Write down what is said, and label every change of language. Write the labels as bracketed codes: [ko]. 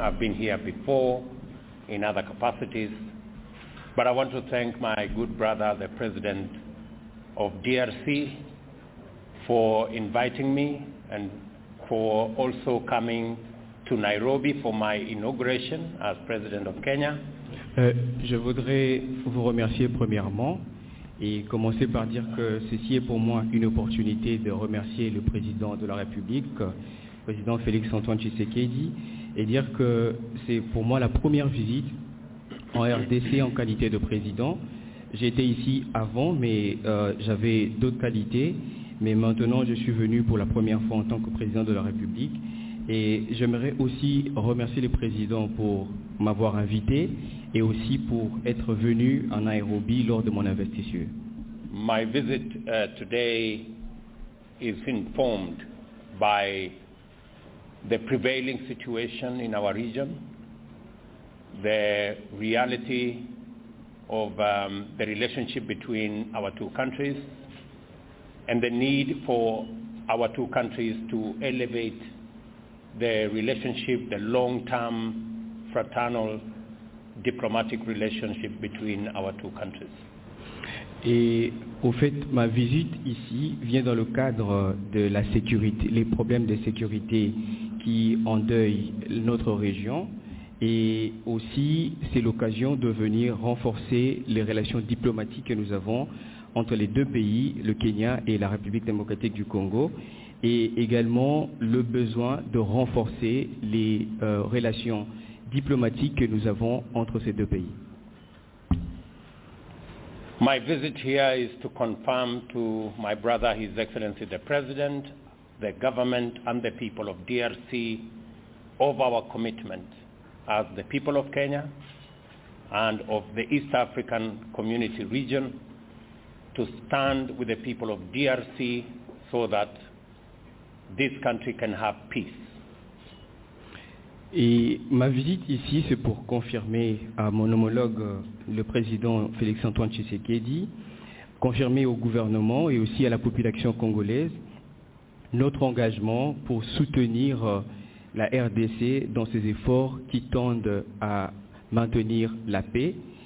[en] I've been here before in other capacities, but I want to thank my good brother, the President of DRC, for inviting me and for also coming to Nairobi for my inauguration as President of Kenya. [fr] Je voudrais vous remercier premièrement et commencer par dire que ceci est pour moi une opportunité de remercier le Président de la République, Président Félix-Antoine Tshisekedi, et dire que c'est pour moi la première visite en RDC en qualité de Président. J'étais ici avant, mais j'avais d'autres qualités, mais maintenant je suis venu pour la première fois en tant que Président de la République. Et j'aimerais aussi remercier le Président pour m'avoir invité et aussi pour être venu en Nairobi lors de mon investiture. [en] My visit today is informed by the prevailing situation in our region, the reality of the relationship between our two countries, and the need for our two countries to elevate the relationship, the long-term fraternal diplomatic relationship between our two countries. [fr] Et au fait, ma visite ici vient dans le cadre de la sécurité, les problèmes de sécurité qui endeuillent notre région, et aussi c'est l'occasion de venir renforcer les relations diplomatiques que nous avons entre les deux pays, le Kenya et la République démocratique du Congo, et également le besoin de renforcer les relations diplomatique que nous avons entre ces deux pays. [en] My visit here is to confirm to my brother, His Excellency the President, the government and the people of DRC of our commitment as the people of Kenya and of the East African Community region to stand with the people of DRC so that this country can have peace. [fr] Et ma visite ici, c'est pour confirmer à mon homologue, le président Félix-Antoine Tshisekedi, confirmer au gouvernement et aussi à la population congolaise notre engagement pour soutenir la RDC dans ses efforts qui tendent à maintenir la paix.